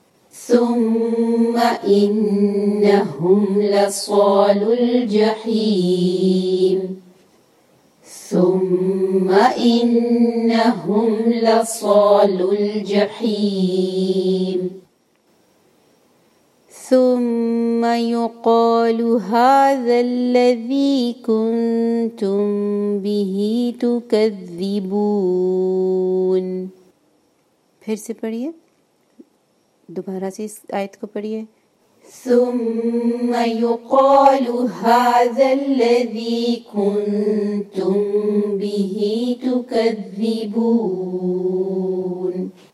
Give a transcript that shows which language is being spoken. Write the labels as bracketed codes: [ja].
[ar] ثم إنهم لصالو الجحيم ثم إنهم لصالو الجحيم ثم يقال هذا الذي كنتم به تكذبون [ur] پھر سے پڑھیے دوبارہ سے اس آیت کو پڑھیے [ar] ثم يقال هذا الذي كنتم به تكذبون